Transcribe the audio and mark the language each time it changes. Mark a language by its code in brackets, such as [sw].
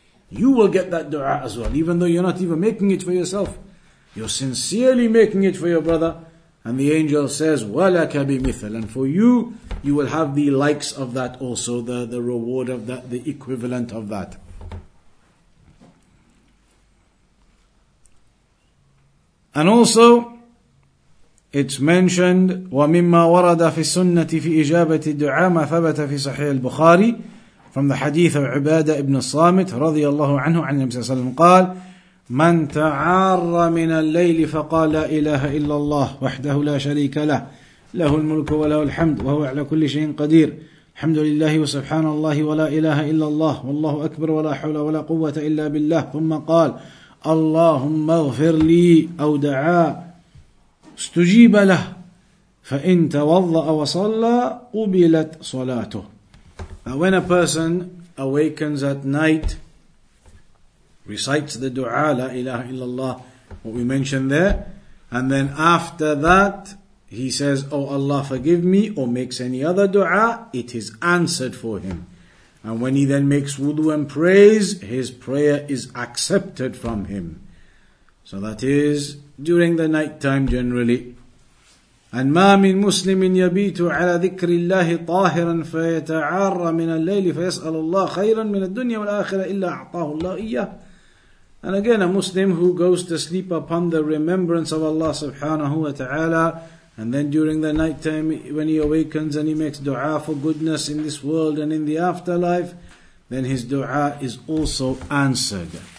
[en] You will get that dua as well, even though you're not even making it for yourself. You're sincerely making it for your brother, and the angel says, [ar] وَلَكَ بِمِثَلٍ, [en] and for you, you will have the likes of that also, the reward of that, the equivalent of that. And also, it's mentioned, [ar] وَمِمَّا وَرَدَ فِي السُنَّةِ فِي إِجَابَةِ الدُّعَى مَا ثَبَتَ فِي صَحِيحِ الْبُخَارِي, [en] from the hadith of Ubadah ibn Samit, [ar] رضي الله عنه, عن النبي صلى الله عليه وسلم, قال, من تعار من الليل فقال لا إله إلا الله وحده لا شريك له له الملك وله الحمد وهو على كل شيء قدير الحمد لله وسبحان الله ولا إله إلا الله والله أكبر ولا حول ولا قوة إلا بالله ثم قال اللهم اغفر لي أو دعا استجيب له فإن توضأ وصلى قبلت صلاته. [en] When a person awakens at night, recites the dua, [ar] la ilaha illallah, [en] what we mentioned there, and then after that, he says, oh Allah forgive me, or makes any other dua, it is answered for him. And when he then makes wudu and prays, his prayer is accepted from him. So that is during the night time generally. [ar] And ما من مسلم يبيت على ذكر الله طاهرا فيتعار من الليل فيسأل الله خيرا من الدنيا والآخرة إلا أعطاه الله إياه. [en] And again, a Muslim who goes to sleep upon the remembrance of Allah subhanahu wa ta'ala, and then during the night time when he awakens and he makes dua for goodness in this world and in the afterlife, then his dua is also answered.